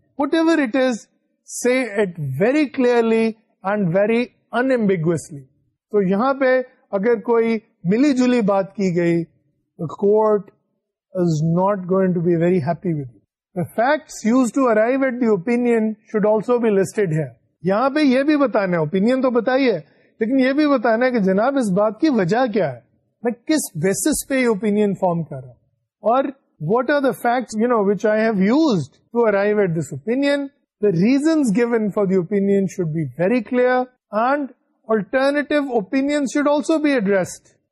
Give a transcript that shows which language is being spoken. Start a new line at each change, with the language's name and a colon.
English: Whatever it is, see it very clearly and very unambiguously.
Urdu: تو یہاں پہ اگر کوئی ملی جلی بات کی گئی,
English: The court is not going to be very happy with it. The facts used to arrive at the opinion should also be listed here.
Urdu: یہاں پہ یہ بھی بتانا ہے, اوپینین تو بتائیے لیکن یہ بھی بتانا ہے کہ جناب اس بات کی وجہ کیا ہے, میں کس بیسس پہ یہ اوپینین فارم کر رہا ہوں, اور
English: what are the facts you know which I have used to arrive at this opinion. The reasons given for the opinion should be very clear and alternative opinions should also be addressed.